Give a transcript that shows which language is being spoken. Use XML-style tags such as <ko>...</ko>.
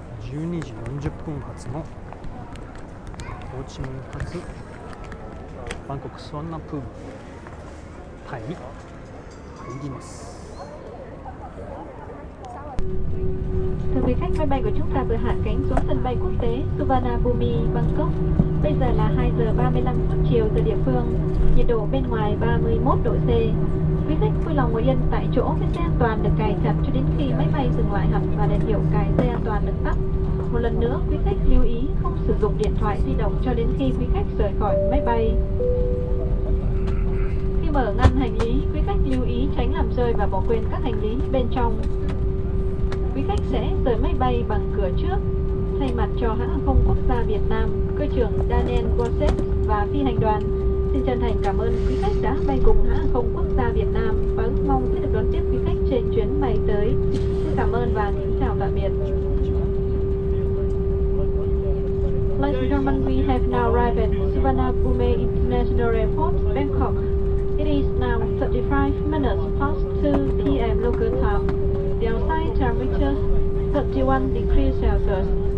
<ja>12時40分発のホーチミン発バンコクスワンナプームタイに入ります。</ja> <vi>Thưa quý khách, máy bay của chúng ta vừa hạ cánh xuống sân bay quốc tế Suvarnabhumi, Bangkok. Bây giờ là 2:35 chiều giờ địa phương. Nhiệt độ bên ngoài 31 độ C. Quý khách vui lòng ngồi yên tại chỗ với dây an toàn được cài chặt cho đến khi máy bay dừng lại hẳn và đèn hiệu cài dây an toàn được tắt. Một lần nữa, quý khách lưu ý không sử dụng điện thoại di động cho đến khi quý khách rời khỏi máy bay. Khi mở ngăn hành lý, quý khách lưu ý tránh làm rơi và bỏ quên các hành lý bên trong. Quý khách sẽ rời máy bay bằng cửa trước, thay mặt cho hãng hàng không quốc gia Việt Nam, cơ trưởng Daniel Gosset và phi hành đoàn. Xin chân thành cảm ơn quý khách đã bay cùng hãng hàng không quốc gia Việt Nam và ước mong sẽ được đón tiếp quý khách trên chuyến bay tới. Xin cảm ơn và kính chào tạm biệt.</vi> <en>Ladies and gentlemen, we have now arrived at Suvarnabhumi International Airport, Bangkok. It is now 35 minutes past 2 p.m. local time. The outside temperature 31 degrees Celsius.</en>